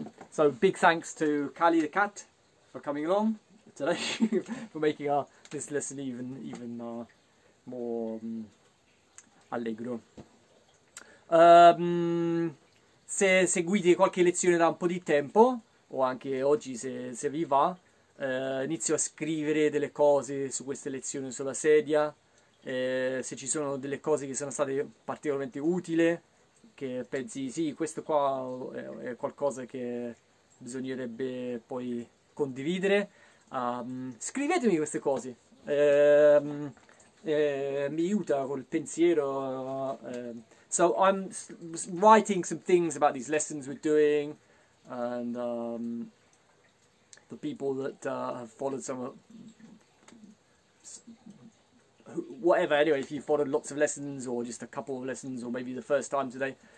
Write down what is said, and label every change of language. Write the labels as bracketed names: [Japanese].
[English] So big thanks to Kali the cat for coming along today, for making this lesson even more allegro. [Italian] Se seguite qualche lezione da un po' di tempo, o anche oggi se vi va, inizio a scrivere delle cose su queste lezioni sulla sedia, se ci sono delle cose che sono state particolarmente utili, che pensi, sì, questo qua è qualcosa che bisognerebbe poi condividere, scrivetemi queste cose, mi aiuta col pensiero. [English] So I'm writing some things about these lessons we're doing, and the people that have followed some of, whatever, anyway, if you followed lots of lessons or just a couple of lessons or maybe the first time today.